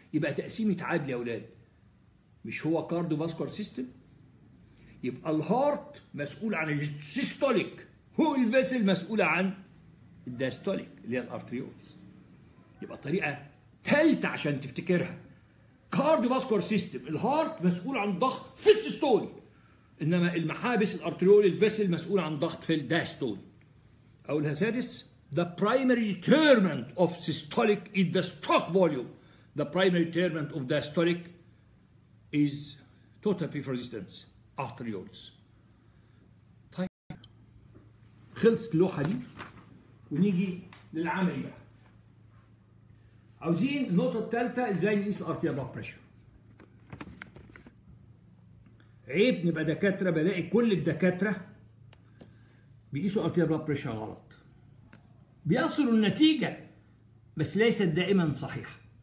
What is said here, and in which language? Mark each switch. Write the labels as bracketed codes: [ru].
[ar] يبقى تقسيمه عادل يا اولاد، مش هو كاردو فاسكولار سيستم؟ يبقى الهارت مسؤول عن السيستوليك، هو الفيسل مسؤوله عن الدايستوليك اللي هي الارتريولز. يبقى طريقه ثالثه عشان تفتكرها، كاردو فاسكولار سيستم الهارت مسؤول عن ضغط في السيستول، انما المحابس الارتريول الفيسل مسؤول عن ضغط في الدايستول. اقولها سادس، [en] the primary determinant of systolic is the stroke volume. The primary determinant of diastolic is total PF resistance arterioles. [ar] طيب خلصت اللوحه دي ونيجي للعملي بقى. عاوزين النقطه الثالثه ازاي نقيس الارتيريال بلد بريشر. عيب نبقى دكاتره بلاقي كل الدكاتره بيقيسوا الارتيريال بلد بريشر غلط، بيأثر النتيجه بس ليست دائما صحيحه.